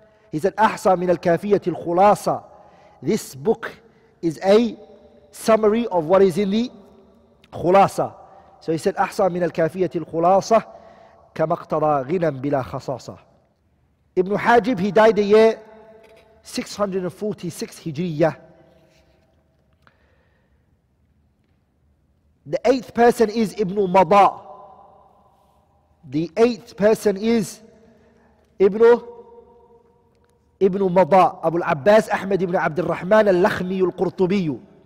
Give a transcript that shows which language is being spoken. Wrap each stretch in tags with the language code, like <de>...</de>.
<en>He said,</en> <ar>أحصى من الكافية الخلاصة.</ar> <en>This book is a summary of what is in the khulasa. So he said,</en> <ar>أحصى من الكافية الخلاصة كما اقتضى غنى بلا خصاصة.</ar> <en>Ibn Hajib, he died the year 646 Hijriyah. The eighth person is Ibn Mada. The eighth person is Ibn Mada, Abu al-Abbas Ahmad ibn Abdulrahman al-Lakhmi al-Qurtubi.</en>